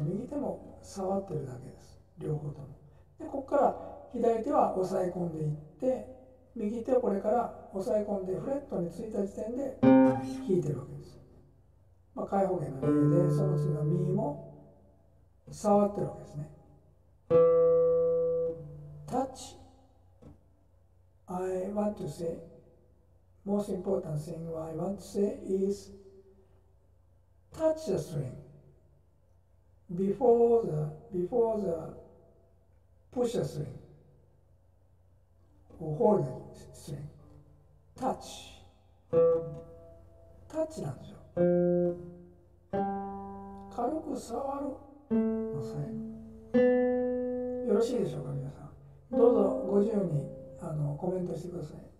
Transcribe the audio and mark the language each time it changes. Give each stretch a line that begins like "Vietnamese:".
Japanese: 右手も触ってるだけです。両方ともで、ここから左手は押さえ込んでいって、右手をこれから押さえ込んでフレットについた時点で弾いてるわけです。まあ開放弦の例で、その次のミも触ってるわけですね。
English: Touch. I want to say, most important thing I want to say is touch the string before the push the string.
Japanese: ホールドスイング、タッチなんですよ。軽く触る、押さえる。よろしいでしょうか皆さん。どうぞご自由にコメントしてください。